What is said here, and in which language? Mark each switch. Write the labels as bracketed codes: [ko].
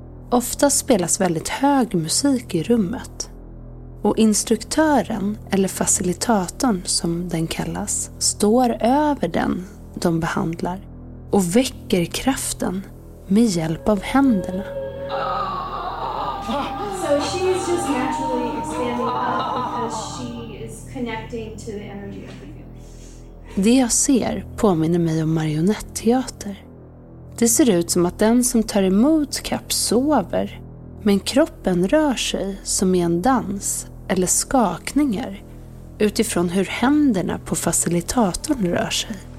[sv] Ofta spelas väldigt hög musik i rummet. Och instruktören, eller facilitatorn som den kallas, står över den de behandlar och väcker kraften med hjälp av händerna. [en] So she is just naturally expanding up because she is connecting to the energy. [sv] Det jag ser påminner mig om marionettteater. Det ser ut som att den som tar emot kapp sover, men kroppen rör sig som i en dans eller skakningar utifrån hur händerna på facilitatorn rör sig.